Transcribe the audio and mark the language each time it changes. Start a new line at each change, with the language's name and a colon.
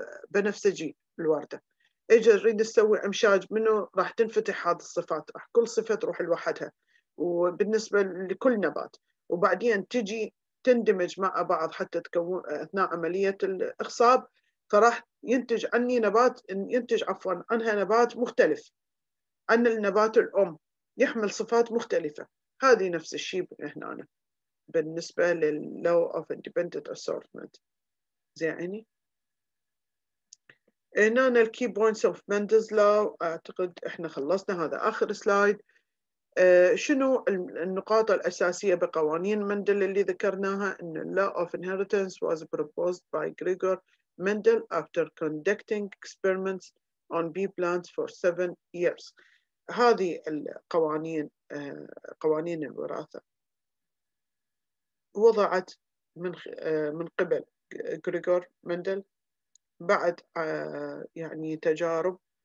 Arabic: بنفسجي الوردة إجا أريد أسوي أمشاج منه راح تنفتح هذه الصفات راح كل صفة تروح لوحدها وبالنسبة لكل نبات وبعدين تجي تندمج مع بعض حتى تكون أثناء عملية الإخصاب فراح ينتج عني نبات ينتج عفوا عنها نبات مختلف عن النبات الأم يحمل صفات مختلفة. هذه نفس الشيء هنا أنا بالنسبة لل law of independent assortment. زيني هنا أنا ال
English: key points of Mendel's law
Arabic: أعتقد إحنا خلصنا هذا آخر سلايد. شنو النقاط الأساسية بقوانين مندل اللي ذكرناها؟
English: إن law of inheritance was proposed by Gregor Mendel after conducting experiments on bee plants for 7 years.
Arabic: هذه القوانين قوانين الوراثة وضعت من قبل غريغور مندل بعد يعني تجارب